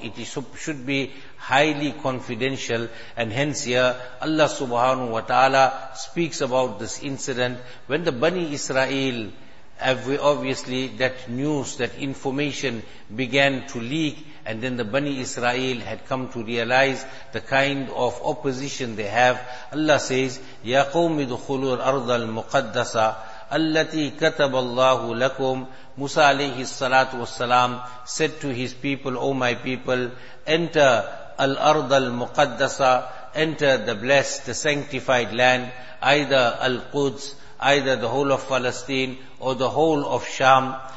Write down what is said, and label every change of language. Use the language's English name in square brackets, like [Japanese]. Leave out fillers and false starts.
[English] It should be highly confidential. And hence here, Allah subhanahu wa ta'ala speaks about this incident. When the Bani Israel, obviously that news, that information began to leak, and then the Bani Israel had come to realize the kind of opposition they have. [Arabic] Allah says, يَا قَوْمِ دُخُلُوا الْأَرْضَ الْمُقَدَّسَةَ الَّتِي كَتَبَ اللَّهُ لَكُمْ. [English] Musa alayhi salatu wasalam said to his people, O my people, enter [Arabic] الْأَرْضَ الْمُقَدَّسَةَ, [English] enter the blessed, the sanctified land, either Al-Quds, either the whole of Palestine or the whole of Sham.